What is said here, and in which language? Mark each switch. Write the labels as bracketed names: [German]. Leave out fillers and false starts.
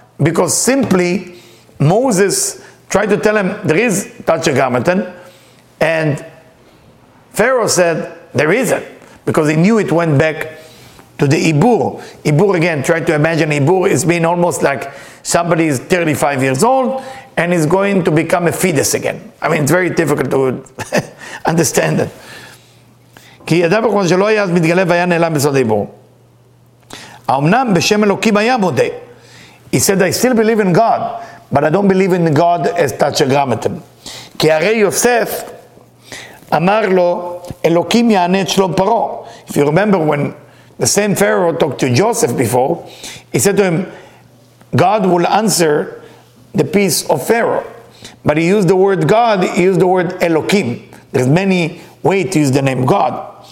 [English] Because simply, Moses tried to tell him, there is Tatcher Gamaten, and Pharaoh said, there isn't. Because he knew it went back to the Ibur. Ibur again, try to imagine Ibur is being almost like somebody is 35 years old and is going to become a fetus again. I mean, it's very difficult to understand it. [Hebrew] כי ידע בכל שלא היה אז מתגלה והיה נעלם בסוד איבור. האמנם בשם אלוקים היה מודה. [English] He said, I still believe in God, but I don't believe in God as touch a grammaton. [Hebrew] כי הרי יוסף אמר לו, אלוקים יענה את שלום פרו. [English] If you remember when the same Pharaoh talked to Joseph before, he said to him, God will answer the peace of Pharaoh. But he used the word God, he used the word אלוקים. There's many ways to use the name God.